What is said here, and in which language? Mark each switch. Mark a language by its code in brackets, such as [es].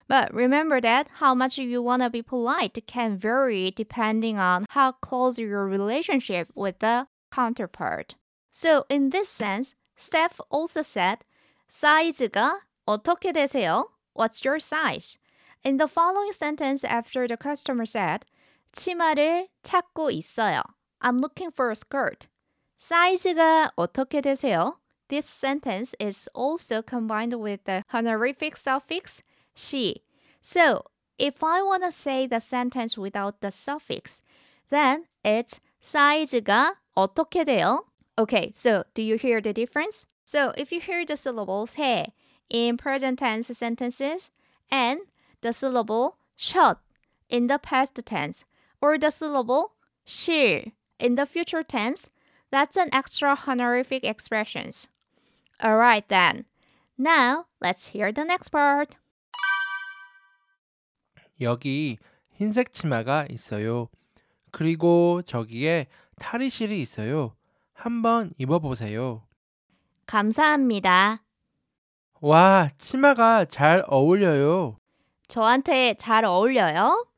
[en] But remember that how much you want to be polite can vary depending on how close your relationship with the counterpart. So in this sense, staff also said, [ko] 사이즈가 어떻게 되세요? [en] What's your size? In the following sentence after the customer said, [ko] 치마를 찾고 있어요. [en] I'm looking for a skirt. [ko] 사이즈가 어떻게 되세요? [en] This sentence is also combined with the honorific suffix, 시. So, if I want to say the sentence without the suffix, then it's [ko] 사이즈가 어떻게 돼요? [en] Okay, so do you hear the difference? So, if you hear the syllables 해 in present tense sentences, and the syllable 샷 in the past tense, or the syllable 실 in the future tense, that's an extra honorific expression. Alright then, now let's hear the next part. [ko] 여기 흰색 치마가 있어요. 그리고 저기에 탈의실이 있어요. 한번 입어보세요. 감사합니다. 와, 치마가 잘 어울려요. 저한테 잘 어울려요?